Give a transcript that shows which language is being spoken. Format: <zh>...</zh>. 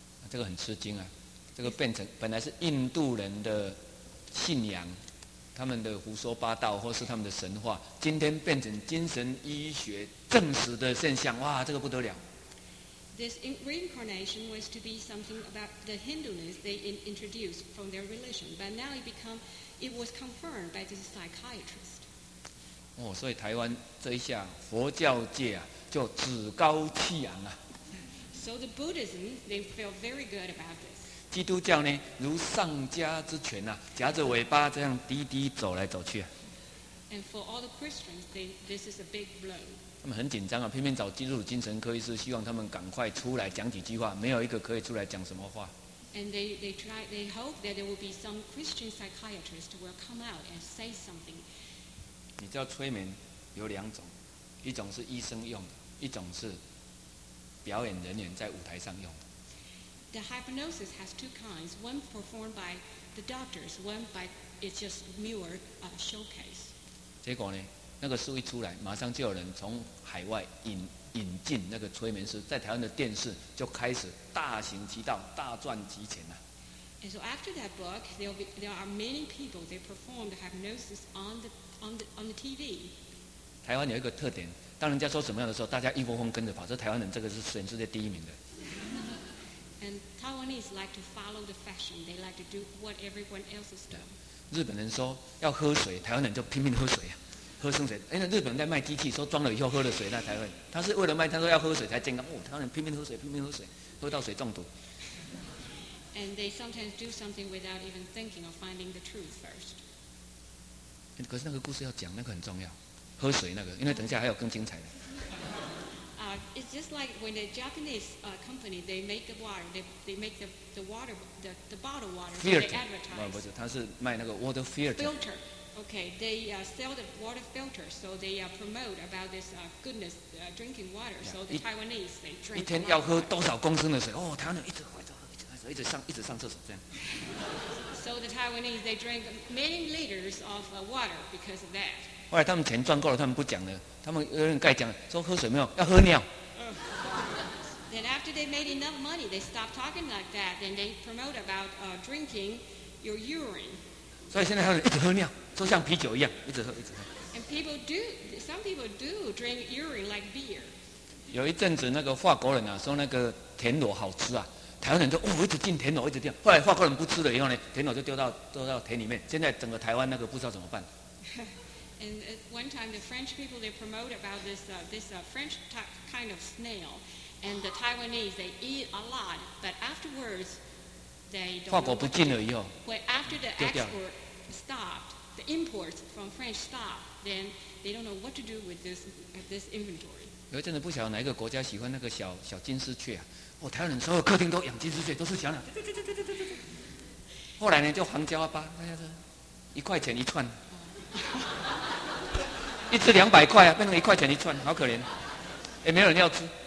<zh>这个很吃惊啊！这个变成本来是印度人的信仰，他们的胡说八道或是他们的神话，今天变成精神医学证实的现象，哇，这个不得了！</zh> <en>This reincarnation was to be something about the Hinduness they introduced from their religion, but now it was confirmed by this psychiatrist.</en> <zh>哦，所以台湾这一下佛教界啊，就趾高气扬啊。</zh> <en>So the Buddhism they felt very good about this.</en> <zh>基督教呢，如丧家之犬呐，夹着尾巴这样滴滴走来走去啊。</zh> <en>And for all the Christians, this is a big blow.</en> <zh>他们很紧张啊，偏偏找基督精神科医师，希望他们赶快出来讲几句话，没有一个可以出来讲什么话。</zh> <en>And they hope that there will be some Christian psychiatrist will come out and say something.</en> <zh>你知道催眠有两种，一种是医生用的，一种是表演人员在舞台上用的。</zh> <en>The hypnosis has two kinds, one performed by the doctors, one by it's just mere showcase.</en> <zh>结果呢？那个书一出来，马上就有人从海外引进那个催眠师，在台湾的电视就开始大行其道，大赚其钱了。</zh> <en>And so after that book, there are many people they performed hypnosis on the TV.</en> <zh>台湾有一个特点，当人家说什么样的时候，大家一窝蜂跟着跑。这台湾人这个是全世界第一名的。</zh> <en>And Taiwanese like to follow the fashion. They like to do what everyone else is doing.</en> <zh>日本人说要喝水，台湾人就拼命喝水。喝生水，哎，那日本人在卖机器，说装了以后喝了水，那才会。他是为了卖，他说要喝水才健康。哦，台湾人拼命喝水，拼命喝水，喝到水中毒。</zh> <en>And they sometimes do something without even thinking or finding the truth first.</en> <zh>可是那个故事要讲，那个很重要，喝水那个，因为等一下还有更精彩的。</zh> <en>It's just like when the Japanese company they make the water, they make the water, the bottle water. Filter.</en> <zh>不，不是，他是卖那个 water filter.</zh> <en>Filter. Okay, they sell the water filter, so they promote about this goodness drinking water. So the Taiwanese they drink.</en> <zh>一天要喝多少公升的水？哦，台湾人一直上厕所这样。</zh> <en>So the Taiwanese they drink many liters of water because of that.</en> <zh>后来他们钱赚够了，他们不讲了，他们有人盖讲说喝水没有，要喝尿。</zh> <en>Then after they made enough money, they stop talking like that. Then they promote about drinking your urine.</en> <zh>所以现在他们一直喝尿，就像啤酒一样，一直喝，一直喝。</zh> <en>And people do, some people do drink urine like beer.</en> <zh>有一阵子，那个法国人啊，说那个田螺好吃啊，台湾人都哦，一直进田螺，一直掉。后来法国人不吃了以后呢，田螺就丢到田里面。现在整个台湾那个不知道怎么办。</zh> <en>And one time, the French people they promote about this French kind of snail, and the Taiwanese they eat a lot, but afterwards.</en> <zh>法国不进了以后，</zh> <en>会 after the export stopped, the imports from French stopped, then they don't know what to do with this inventory.</en> <zh>有一阵子不晓得哪一个国家喜欢那个小金丝雀啊，哦，台湾人所有客厅都养金丝雀，都是小鸟。后来呢，就黄椒啊吧，大家说一块钱一串，一只200块啊，变成一块钱一串，好可怜，也没有人要吃。</zh>